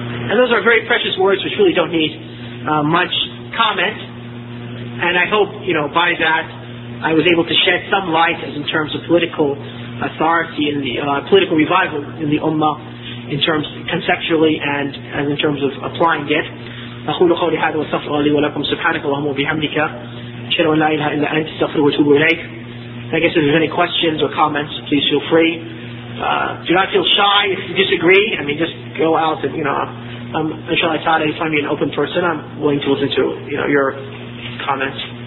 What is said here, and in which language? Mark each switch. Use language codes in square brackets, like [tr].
[en] And those are very precious words which really don't need much comment. And I hope, you know, by that I was able to shed some light as in terms of political authority in the political revival in the Ummah, in terms conceptually and as in terms of applying it. [ar] أقول قولي هذا وأستغفر لي ولكم سبحانك اللهم وبحمدك أشهد أن لا إله إلا أنت أستغفرك وأتوب إليك. [en] I guess if there's any questions or comments, please feel free. Do not feel shy if you disagree. I mean, just go out and, you know, inshallah ta'ala, if I'm an open person, I'm willing to listen to, you know, your comments.